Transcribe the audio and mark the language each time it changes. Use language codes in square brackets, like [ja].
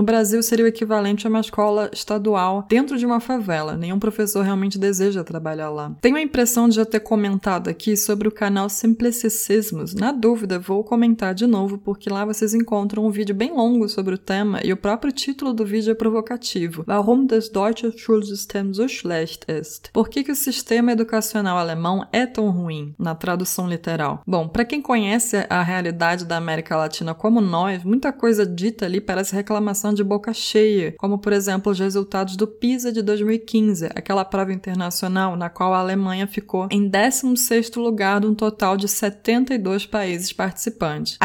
[pt] No Brasil, seria o equivalente a uma escola estadual dentro de uma favela. Nenhum professor realmente deseja trabalhar lá. Tenho a impressão de já ter comentado aqui sobre o canal Simplicissimos. Na dúvida, vou comentar de novo, porque lá vocês encontram um vídeo bem longo sobre o tema e o próprio título do vídeo é provocativo. [de] Warum das deutsche Schule System so schlecht ist. [pt] Por que o sistema educacional alemão é tão ruim, na tradução literal? Bom, para quem conhece a realidade da América Latina como nós, muita coisa dita ali parece reclamação de boca cheia, como, por exemplo, os resultados do PISA de 2015, aquela prova internacional na qual a Alemanha ficou em 16º lugar de um total de 72 países participantes.